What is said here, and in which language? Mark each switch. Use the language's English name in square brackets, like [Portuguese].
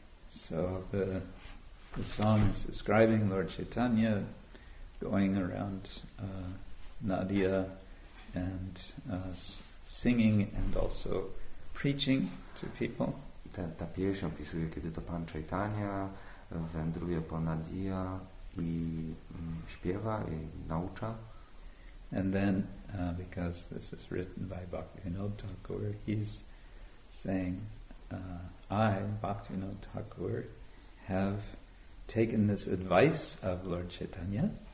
[English] So the song is describing Lord Chaitanya going around Nadia and singing and also preaching to people. [Polish] Ta pieśń opisuje, kiedy to Pan Chaitanya wędruje po Nadia i śpiewa i naucza. [English] And then, because this is written by Bhaktivinoda Thakur, he's saying, I, Bhaktivinoda Thakur, have taken this advice of Lord Chaitanya.